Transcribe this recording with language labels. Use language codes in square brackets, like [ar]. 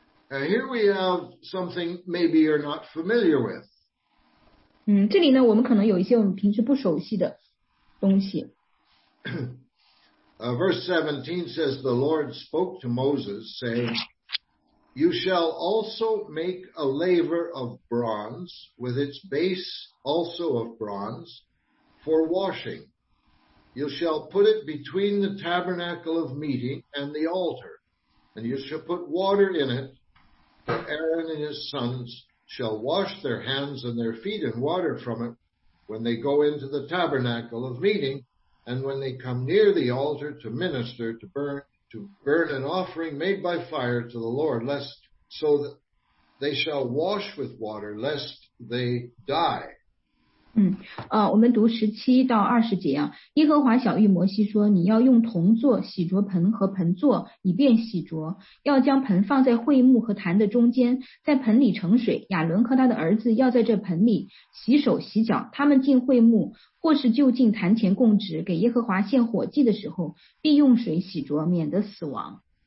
[en] Here we have something maybe you're not familiar with. [zh] 这里呢，我们可能有一些我们平时不熟悉的东西。 [en] Verse 17 says, the Lord spoke to Moses, saying, you shall also make a laver of bronze with its base also of bronze for washing. You shall put it between the tabernacle of meeting and the altar. And you shall put water in it, and Aaron and his sons shall wash their hands and their feet in water from it when they go into the tabernacle of meeting, and when they come near the altar to minister, to burn an offering made by fire to the Lord, lest so that they shall wash with water, lest they die. [zh] 我们读17到20节啊。耶和华晓谕摩西说，你要用铜做洗濯盆和盆座，以便洗濯，要将盆放在会幕和坛的中间，在盆里盛水，亚伦和他的儿子要在这盆里洗手洗脚，他们进会幕或是就近坛前供职，给耶和华献火祭的时候，必用水洗濯，免得死亡。